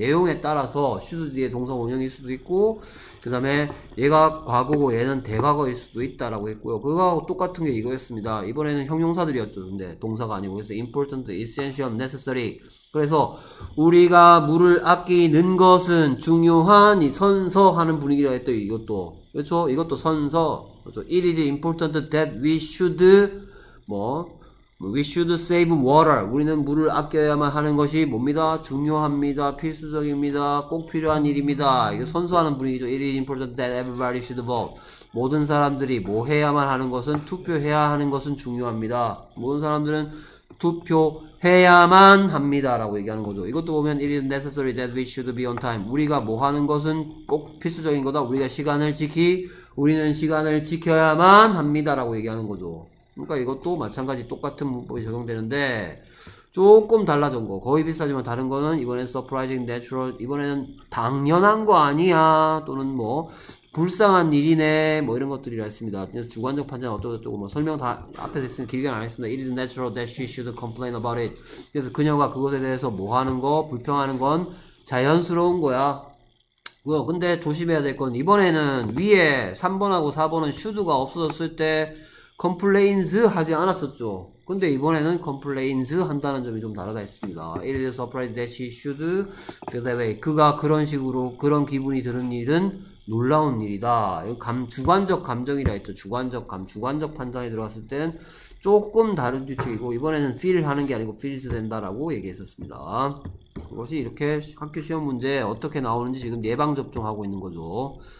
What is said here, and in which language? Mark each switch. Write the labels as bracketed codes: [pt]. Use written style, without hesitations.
[ko] 내용에 따라서 should 뒤에 동사 원형일 수도 있고 그 다음에 얘가 과거고 얘는 대과거일 수도 있다라고 했고요. 그거하고 똑같은 게 이거였습니다. 이번에는 형용사들이었죠. 근데 동사가 아니고 그래서 important, essential, necessary. 그래서 우리가 물을 아끼는 것은 중요한 선서 하는 분위기라고 했더니 이것도 그렇죠? 이것도 선서 그렇죠? [en] It is important that we should 뭐 We should save water. [ko] 우리는 물을 아껴야만 하는 것이 뭡니다? 중요합니다. 필수적입니다. 꼭 필요한 일입니다. 이게 선수하는 분위기죠. [en] It is important that everybody should vote. [ko] 모든 사람들이 뭐 해야만 하는 것은 투표해야 하는 것은 중요합니다. 모든 사람들은 투표해야만 합니다. 라고 얘기하는 거죠. 이것도 보면 [en] It is necessary that we should be on time. [ko] 우리가 뭐 하는 것은 꼭 필수적인 거다. 우리가 시간을 지키, 우리는 시간을 지켜야만 합니다. 라고 얘기하는 거죠. 그러니까 이것도 마찬가지 똑같은 문법이 적용되는데 조금 달라진 거. 거의 비슷하지만 다른 거는 이번엔 surprising, natural, 이번에는 당연한 거 아니야. 또는 뭐, 불쌍한 일이네. 뭐 이런 것들이라 했습니다. 주관적 판단 어쩌고저쩌고 뭐 설명 다 앞에 됐으면 길게는 안 했습니다. [en] It is natural that she should complain about it. [ko] 그래서 그녀가 그것에 대해서 뭐 하는 거, 불평하는 건 자연스러운 거야. 근데 조심해야 될 건 이번에는 위에 3번하고 4번은 should가 없어졌을 때 complains 하지 않았었죠. 근데 이번에는 complains 한다는 점이 좀 다르다 했습니다. [en] It is surprising that she should feel that way. [ko] 그가 그런 식으로 그런 기분이 드는 일은 놀라운 일이다. 감, 주관적 감정이라 했죠. 주관적 감, 주관적 판단이 들어갔을 땐 조금 다른 규칙이고 이번에는 feel 하는 게 아니고 feels 된다라고 얘기했었습니다. 그것이 이렇게 학교 시험 문제 어떻게 나오는지 지금 예방접종하고 있는 거죠.